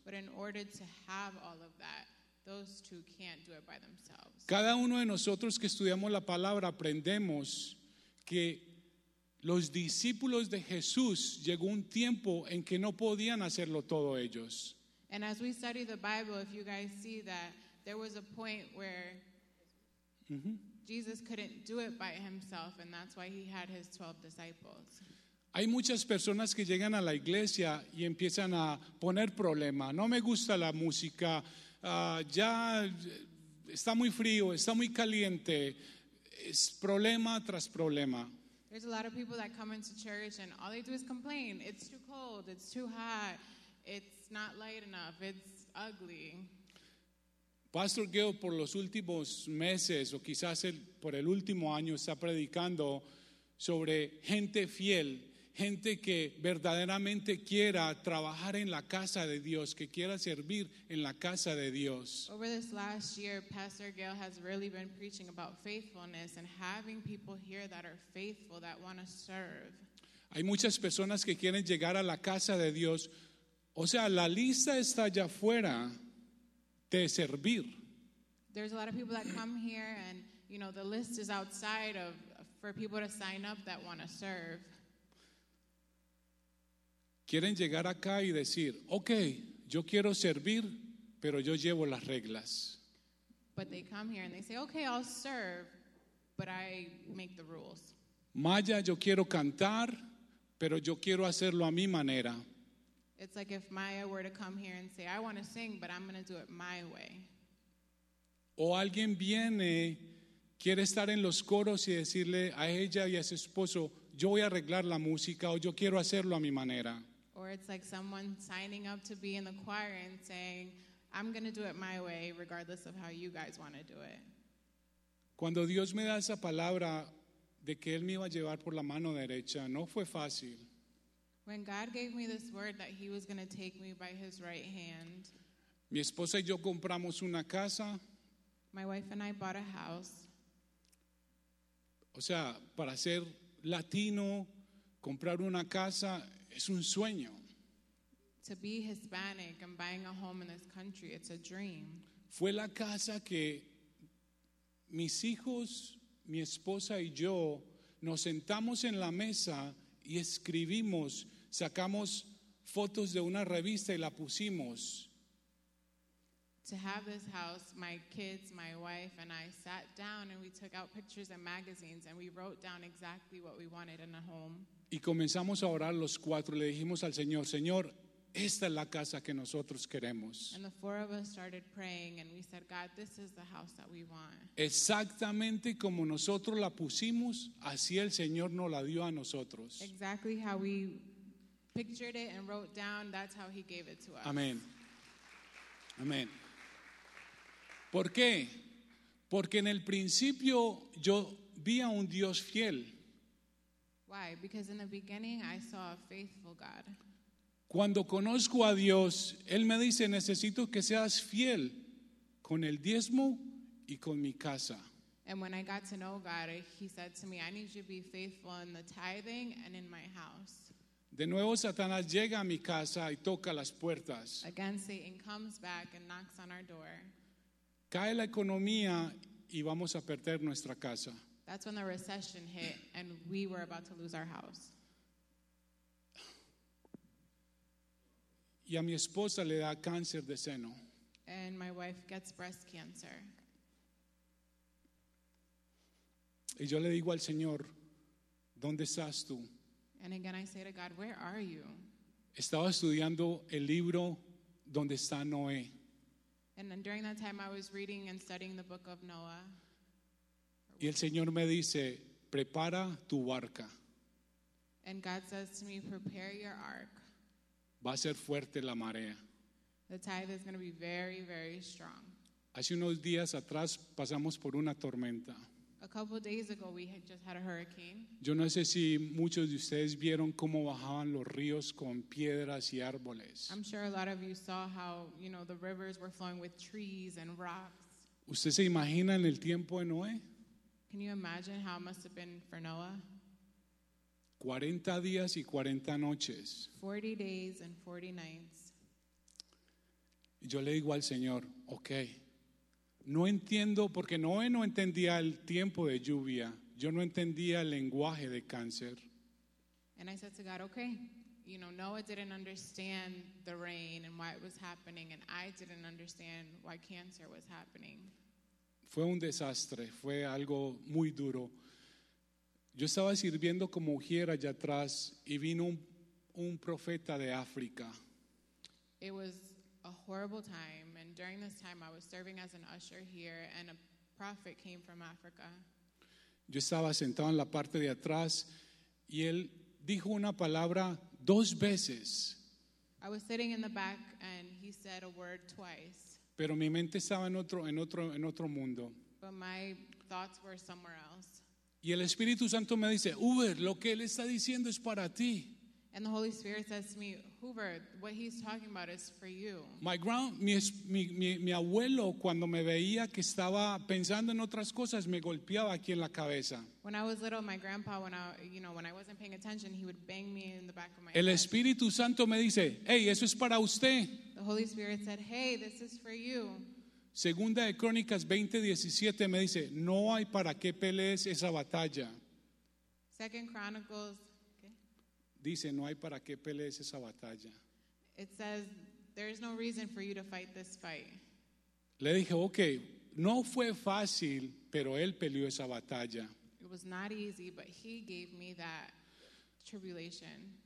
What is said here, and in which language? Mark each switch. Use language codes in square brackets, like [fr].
[en] But in order to have all of that, those two can't do it by themselves. [es] Cada uno de nosotros que estudiamos la palabra aprendemos que los discípulos de Jesús llegó un tiempo en que no podían hacerlo todo ellos. [en] And as we study the Bible, if you guys see that, there was a point where Jesus couldn't do it by himself, and that's why he had his 12 disciples. [es] Hay muchas personas que llegan a la iglesia y empiezan a poner problema. No me gusta la música. Ya está muy frío, está muy caliente. Es problema tras problema. [en] There's a lot of people that come into church and all they do is complain. It's too cold. It's too hot. It's not light enough. It's ugly. [es] Pastor Gil, por los últimos meses, o quizás por el último año, está predicando sobre gente fiel, gente que verdaderamente quiera trabajar en la casa de Dios, que quiera servir en la casa de Dios. [en] Over this last year, Pastor Gil has really been preaching about faithfulness and having people here that are faithful, that want to serve. [es] Hay muchas personas que quieren llegar a la casa de Dios. O sea, la lista está allá afuera de servir. [en] There's a lot of people that come here and, you know, the list is outside of for people to sign up that want to serve. [es] Quieren llegar acá y decir, ok, yo quiero servir, pero yo llevo las reglas. [en] But they come here and they say, okay, I'll serve, but I make the rules. [es] Maya, yo quiero cantar, pero yo quiero hacerlo a mi manera. [en] It's like if Maya were to come here and say, I want to sing, but I'm going to do it my way. [es] O alguien viene, quiere estar en los coros y decirle a ella y a su esposo, yo voy a arreglar la música o yo quiero hacerlo a mi manera. [en] Or it's like someone signing up to be in the choir and saying, I'm going to do it my way, regardless of how you guys want to do it. [es] Cuando Dios me da esa palabra de que Él me iba a llevar por la mano derecha, no fue fácil. [en] When God gave me this word that he was going to take me by his right hand. [es] Mi esposa y yo compramos una casa. [en] My wife and I bought a house. [es] O sea, para ser latino, comprar una casa es un sueño. [en] To be Hispanic and buying a home in this country, it's a dream. [es] Fue la casa que mis hijos, mi esposa y yo nos sentamos en la mesa y escribimos, sacamos fotos de una revista y la pusimos. [en] To have this house, my kids, my wife, and I sat down and we took out pictures and magazines and we wrote down exactly what we wanted in a home. [es] Y comenzamos a orar los cuatro. Le dijimos al Señor, Señor, esta es la casa que nosotros queremos. [en] And the four of us started praying and we said, God, this is the house that we want. [es] Exactamente como nosotros la pusimos, así el Señor nos la dio a nosotros. [en] Exactly how we pictured it and wrote down, that's how he gave it to us. [es] Amén. Amén. ¿Por qué? Porque en el principio yo vi a un Dios fiel. [en] Why? Because in the beginning I saw a faithful God. [es] Cuando conozco a Dios, Él me dice, necesito que seas fiel con el diezmo y con mi casa. [en] And when I got to know God, He said to me, I need you to be faithful in the tithing and in my house. [es] De nuevo Satanás llega a mi casa y toca las puertas. [en] Again, Satan comes back and knocks on our door. [es] Cae la economía y vamos a perder nuestra casa. [en] That's when the recession hit and we were about to lose our house. [es] Y a mi esposa le da cáncer de seno. [en] And my wife gets breast cancer. [es] Y yo le digo al Señor, ¿dónde estás tú? [en] And again I say to God, where are you? [es] Estaba estudiando el libro donde está Noé. [en] And then during that time I was reading and studying the book of Noah. [es] Y el Señor me dice, prepara tu barca. [en] And God says to me, prepare your ark. [es] Va a ser fuerte la marea. [en] The tide is going to be very, very strong. [es] Hace unos días atrás pasamos por una tormenta. [en] A couple of days ago we had just had a hurricane. [es] Yo no sé si muchos de ustedes vieron cómo bajaban los ríos con piedras y árboles. [en] I'm sure a lot of you saw how, you know, the rivers were flowing with trees and rocks. [es] ¿Usted se imagina en el tiempo de Noé? [en] Can you imagine how it must have been for Noah? [es] 40 días y 40 noches. [en] 40 days and 40 nights. [es] Y yo le digo al Señor, okay. No entiendo, porque Noé no entendía el tiempo de lluvia. Yo no entendía el lenguaje de cáncer. [en] And I said to God, okay. You know, Noah didn't understand the rain and why it was happening, and I didn't understand why cancer was happening. [es] Fue un desastre, fue algo muy duro. Yo estaba sirviendo como ujier allá atrás y vino un profeta de África. [en] It was a horrible time, and during this time I was serving as an usher here, and a prophet came from Africa. [es] Yo estaba sentado en la parte de atrás y él dijo una palabra dos veces. [en] I was sitting in the back and he said a word twice. [es] Pero mi mente estaba en otro mundo. [en] But my thoughts were somewhere else. [es] Y el Espíritu Santo me dice, Hoover, lo que él está diciendo es para ti. [en] And the Holy Spirit says to me, Hoover, what he's talking about is for you. [es] Mi abuelo, cuando me veía que estaba pensando en otras cosas, me golpeaba aquí en la cabeza. [en] When I was little, my grandpa, when I wasn't paying attention, he would bang me in the back of my head. [es] El Espíritu Santo me dice, hey, eso es para usted. [en] The Holy Spirit said, hey, this is for you. [es] Segunda de Crónicas 20:17 me dice, no hay para qué pelees esa batalla. [en] Second Chronicles, okay. [es] Dice, no hay para qué pelees esa batalla. [en] It says, there is no reason for you to fight this fight. [es] Le dije, okay, no fue fácil, pero él peleó esa batalla. [en] It was not easy, but he gave me that tribulation.